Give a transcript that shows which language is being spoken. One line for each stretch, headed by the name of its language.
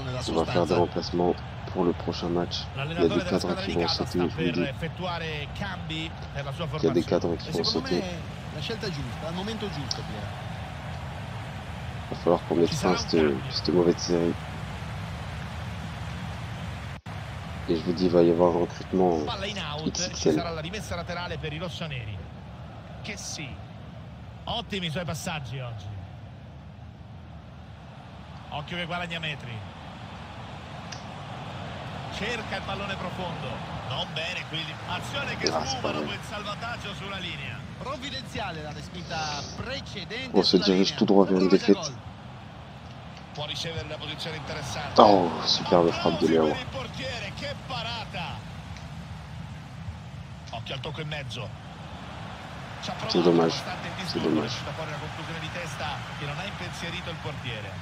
French: On va faire des remplacements pour le prochain match. Il y a des cadres qui vont sauter. Il va falloir qu'on mette fin à cette mauvaise série. Et je vous dis, il va y avoir un recrutement.
Italian: Palla in out, ci sarà la rimessa laterale per i rossoneri. Che sì. Ottimi i suoi passaggi oggi. Occhio che guadagna metri. Cerca il pallone profondo. Non bene, quindi. Azione che sfuma dopo il salvataggio sulla linea. Provvidenziale la respinta precedente.
French: On se dirige tout droit vers une défaite.
Italian: Può ricevere la posizione interessante.
French: Oh, superbe frappe
Italian: di
French: Leo.
Italian: Portiere, che parata. Occhio al tocco in mezzo.
French: C'est dommage. C'est dommage.
Italian: Da fuori la conclusione di testa che non ha impensierito il portiere.